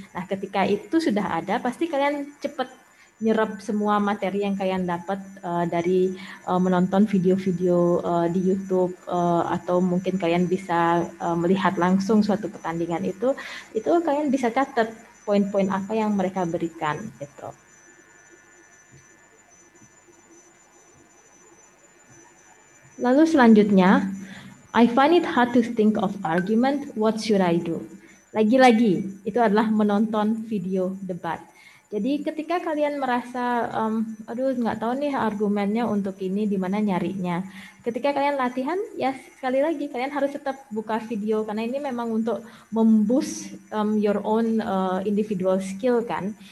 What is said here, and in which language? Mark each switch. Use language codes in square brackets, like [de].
[id] Nah, ketika itu sudah ada, pasti kalian cepat nyerap semua materi yang kalian dapat dari menonton video-video di YouTube atau mungkin kalian bisa melihat langsung suatu pertandingan itu. Itu kalian bisa catat poin-poin apa yang mereka berikan gitu. Lalu selanjutnya, [en] I find it hard to think of argument, what should I do? [id] Lagi-lagi, itu adalah menonton video debat. Jadi ketika kalian merasa, aduh nggak tahu nih argumennya untuk ini, di mana nyarinya. Ketika kalian latihan, ya sekali lagi, kalian harus tetap buka video, karena ini memang untuk memboost [en] your own individual skill [id] kan.